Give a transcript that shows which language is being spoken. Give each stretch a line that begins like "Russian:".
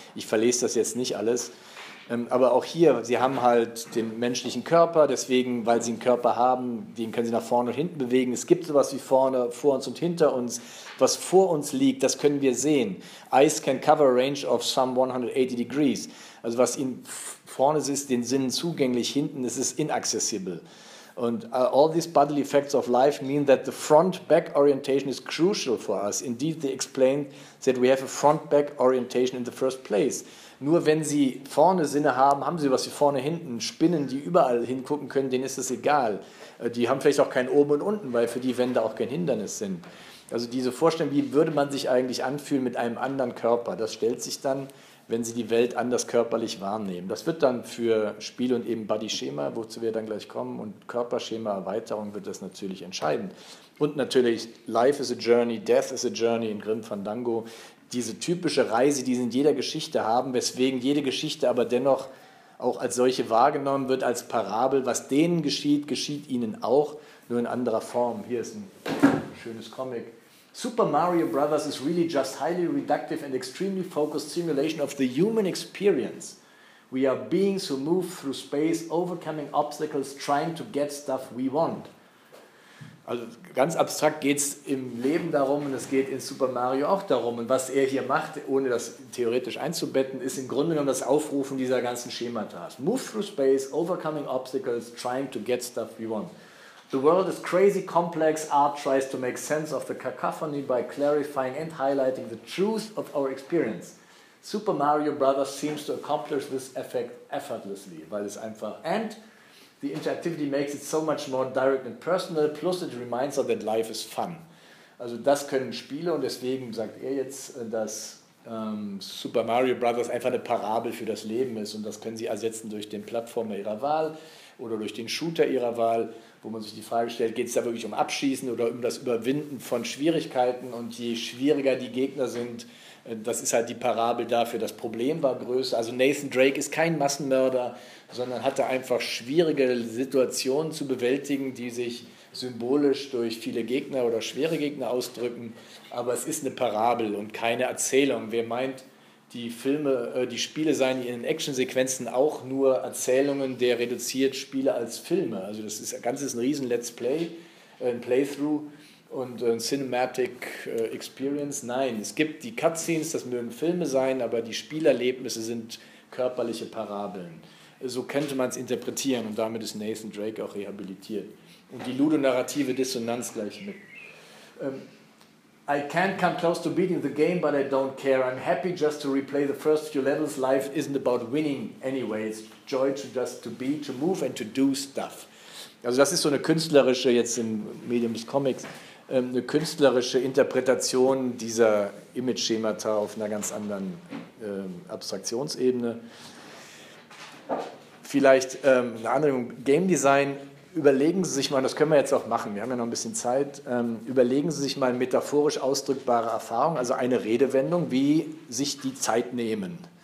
German: Ich verlese das jetzt nicht alles, aber auch hier, Sie haben halt den menschlichen Körper, deswegen, weil Sie einen Körper haben, den können Sie nach vorne und hinten bewegen. Es gibt sowas wie vorne, vor uns und hinter uns. Was vor uns liegt, das können wir sehen.
English: Eyes can cover a range of some 180 degrees.
German: Also was Ihnen vorne ist, den Sinnen zugänglich, hinten ist es inaccessible. Und
English: all these bodily effects of life mean that the front-back orientation is crucial for us. Indeed, they explain that we have a front-back orientation in the first place.
German: Nur wenn Sie vorne Sinne haben, haben Sie was wie vorne, hinten, Spinnen, die überall hingucken können, denen ist es egal. Die haben vielleicht auch kein oben und unten, weil für die Wände auch kein Hindernis sind. Also diese Vorstellung, wie würde man sich eigentlich anfühlen mit einem anderen Körper, das stellt sich dann, wenn Sie die Welt anders körperlich wahrnehmen. Das wird dann für Spiel und eben Body-Schema, wozu wir dann gleich kommen, und Körperschema-Erweiterung wird das natürlich entscheiden. Und natürlich, Life is a Journey, Death is a Journey in Grimm Fandango, diese typische Reise, die Sie in jeder Geschichte haben, weswegen jede Geschichte aber dennoch auch als solche wahrgenommen wird, als Parabel, was denen geschieht, geschieht Ihnen auch, nur in anderer Form. Hier ist ein schönes Comic.
English: Super Mario Brothers is really just highly reductive and extremely focused simulation of the human experience. We are beings who move through space, overcoming obstacles, trying to get stuff we want.
German: Also ganz abstrakt geht es im Leben darum und es geht in Super Mario auch darum. Und was er hier macht, ohne das theoretisch einzubetten, ist im Grunde genommen das Aufrufen dieser ganzen Schemata.
English: Move through space, overcoming obstacles, trying to get stuff we want. The world is crazy complex. Art tries to make sense of the cacophony by clarifying and highlighting the truth of our experience. Super Mario Brothers seems to accomplish this effect effortlessly,
German: weil es einfach,
English: and the interactivity makes it so much more direct and personal, plus it reminds us that life is fun.
German: Also das können Spiele, und deswegen sagt er jetzt, dass Super Mario Brothers einfach eine Parabel für das Leben ist, und das können Sie ersetzen durch den Plattformer Ihrer Wahl oder durch den Shooter Ihrer Wahl, wo man sich die Frage stellt, geht es da wirklich um Abschießen oder um das Überwinden von Schwierigkeiten, und je schwieriger die Gegner sind, das ist halt die Parabel dafür, das Problem war größer. Also Nathan Drake ist kein Massenmörder, sondern hatte einfach schwierige Situationen zu bewältigen, die sich symbolisch durch viele Gegner oder schwere Gegner ausdrücken, aber es ist eine Parabel und keine Erzählung. Wer meint, die Filme, die Spiele seien in den Actionsequenzen auch nur Erzählungen, der reduziert Spiele als Filme. Also das ist, Ganze ist ein riesen Let's Play, ein Playthrough und ein Cinematic Experience. Nein, es gibt die Cutscenes, das mögen Filme sein, aber die Spielerlebnisse sind körperliche Parabeln. So könnte man es interpretieren, und damit ist Nathan Drake auch rehabilitiert. Und die ludonarrative Dissonanz gleich mit.
English: I can't come close to beating the game, but I don't care. I'm happy just to replay the first few levels. Life isn't about winning anyway. It's joy to just to be, to move and to do stuff.
German: Also das ist so eine künstlerische, jetzt im Medium des Comics, eine künstlerische Interpretation dieser Image-Schemata auf einer ganz anderen Abstraktionsebene. Vielleicht eine andere Game Design. Überlegen Sie sich mal, das können wir jetzt auch machen, wir haben ja noch ein bisschen Zeit, überlegen Sie sich mal metaphorisch ausdrückbare Erfahrung, also eine Redewendung, wie sich die Zeit nehmen.